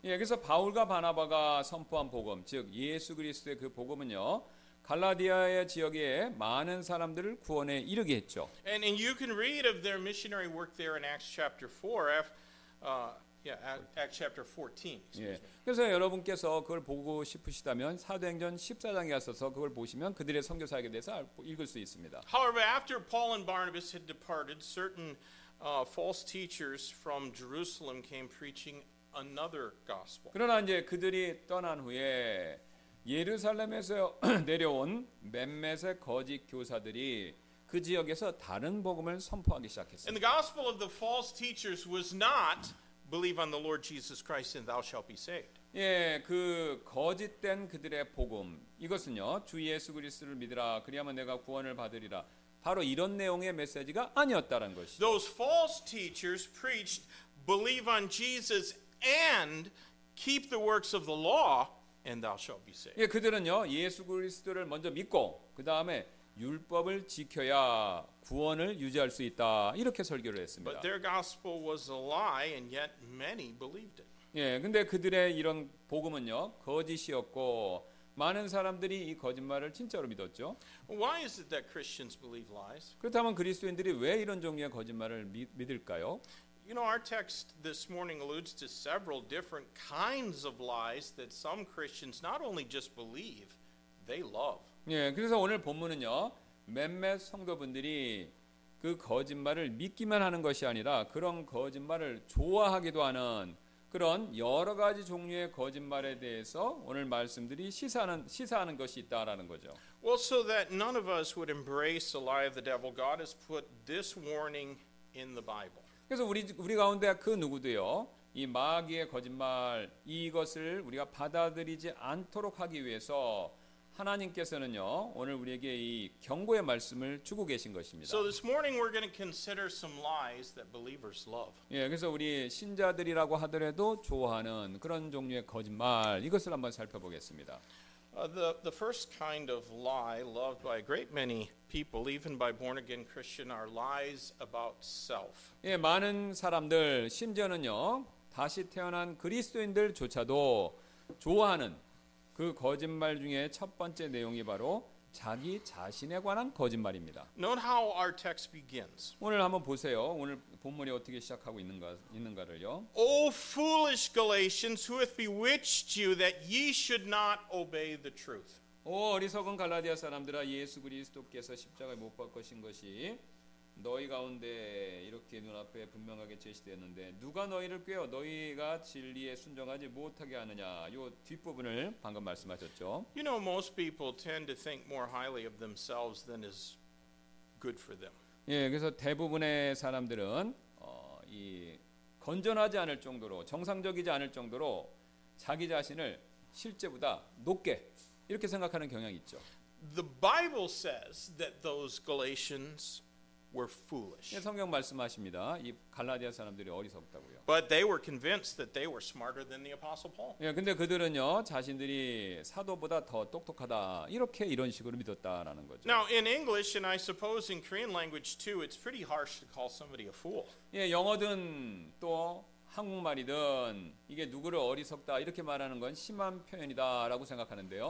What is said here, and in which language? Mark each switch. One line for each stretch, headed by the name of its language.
Korean: 예, 그래서 바울과 바나바가 선포한 복음, 즉 예수 그리스도의 그 복음은요. 갈라디아의 지역에 많은 사람들을 구원에 이르게 했죠.
English: And you can read of their missionary work there in Acts chapter 4. Act chapter 14.
Korean: 예. 그래서 여러분께서 그걸 보고 싶으시다면 사도행전 14장에 가서 그걸 보시면 그들의 선교 사역에 대해서 읽을 수 있습니다.
English: However, after Paul and Barnabas had departed, certain false teachers from Jerusalem came preaching another gospel.
Korean: 그러나 이제 그들이 떠난 후에 예루살렘에서 내려온 몇몇의 거짓 교사들이 그 지역에서 다른 복음을 선포하기 시작했어요.
English: And the gospel of the false teachers was not believe on the Lord Jesus Christ and thou shalt be saved.
Korean: 예, 그 거짓된 그들의 복음 이것은요. 주 예수 그리스도를 믿으라 그리하면 내가 구원을 받으리라. 바로 이런 내용의 메시지가 아니었다는 것이죠.
English: Those false teachers preached believe on Jesus and keep the works of the law and thou shalt be saved.
Korean: 예, 그들은요. 예수 그리스도를 먼저 믿고 그다음에 율법을 지켜야 구원을 유지할 수 있다 이렇게 설교를 했습니다.
English: But their gospel was a lie, and yet many believed it.
Korean: 예, 근데 그들의 이런 복음은요 거짓이었고 많은 사람들이 이 거짓말을 진짜로 믿었죠.
English: Why is it that Christians believe lies?
Korean: 그렇다면 그리스도인들이 왜 이런 종류의 거짓말을 믿을까요?
English: You know, our text this morning alludes to several different kinds of lies that some Christians not only just believe, they love.
Korean: 예, 그래서 오늘 본문은요 몇몇 성도분들이 그 거짓말을 믿기만 하는 것이 아니라 그런 거짓말을 좋아하기도 하는 그런 여러 가지 종류의 거짓말에 대해서 오늘 말씀들이 시사하는 것이 있다라는 거죠.
English: Well, so that none of us would embrace the lie of the devil, God has put this warning in the Bible.
Korean: 그래서 우리 가운데 그 누구도요 이 마귀의 거짓말 이것을 우리가 받아들이지 않도록 하기 위해서. 하나님께서는요 오늘 우리에게 이 경고의 말씀을 주고 계신 것입니다.
English: So this morning we're going to consider some lies that believers love.
Korean: 예, 그래서 우리 신자들이라고 하더라도 좋아하는 그런 종류의 거짓말 이것을 한번 살펴보겠습니다.
English: The first kind of lie loved by a great many people, even by born again Christian, are lies about self.
Korean: 예, 많은 사람들 심지어는요 다시 태어난 그리스도인들조차도 좋아하는 그 거짓말 중에 첫 번째 내용이 바로 자기 자신에 관한 거짓말입니다.
English: Note how our text begins.
Korean: 오늘 한번 보세요. 오늘 본문이 어떻게 시작하고 있는가를요.
English: O foolish Galatians, who hath bewitched you that ye should not obey the truth.
Korean: 오 어리석은 갈라디아 사람들아 예수 그리스도께서 십자가에 못 박으신 것이 너희 가운데 이렇게 눈앞에 분명하게 제시되었는데 누가 너희를 꾀어 너희가 진리에 순종하지 못하게 하느냐 요 뒷부분을 방금 말씀하셨죠.
English: You know most people tend to think more highly of themselves than is good for them.
Korean: 예, 그래서 대부분의 사람들은 이 건전하지 않을 정도로 정상적이지 않을 정도로 자기 자신을 실제보다 높게 이렇게 생각하는 경향이 있죠.
English: The Bible says that those Galatians were foolish.
Korean: 예, 성경 말씀하십니다. 이 갈라디아 사람들이 어리석다고요.
English: But they were convinced that they were smarter than the apostle Paul.
Korean: 예, 근데 그들은요, 자신들이 사도보다 더 똑똑하다. 이렇게 이런 식으로 믿었다라는 거죠.
English: Now in English and I suppose in Korean language too, it's pretty harsh to call somebody a fool.
Korean: 예, 영어든 또 한국말이든 이게 누구를 어리석다 이렇게 말하는 건 심한 표현이다라고 생각하는데요.